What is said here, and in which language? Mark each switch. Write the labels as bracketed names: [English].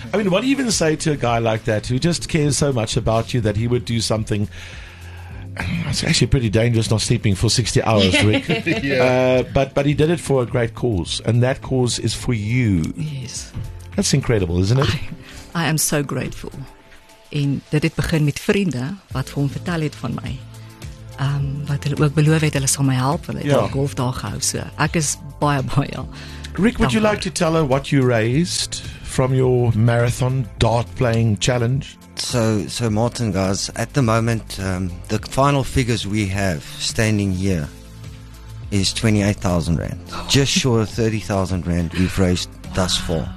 [English] I mean, what do you even say to a guy like that who just cares so much about you that he would do something? It's actually pretty dangerous not sleeping for 60 hours, Rick. But he did it for a great cause, and that cause is for you. Yes. That's incredible, isn't it? I am so grateful. [Afrikaans] En dit het begin met vrienden wat vir hom vertel het van my. Wat hulle ook beloof het, hulle sal my help. Hulle het al golf daar gehou. So ek is baie, baie [English] Rick, would you like to tell her what you raised from your marathon dart playing challenge? So Martin, guys, at the moment, the final figures we have standing here is 28,000 rand. Just short of 30,000 rand we've raised thus far.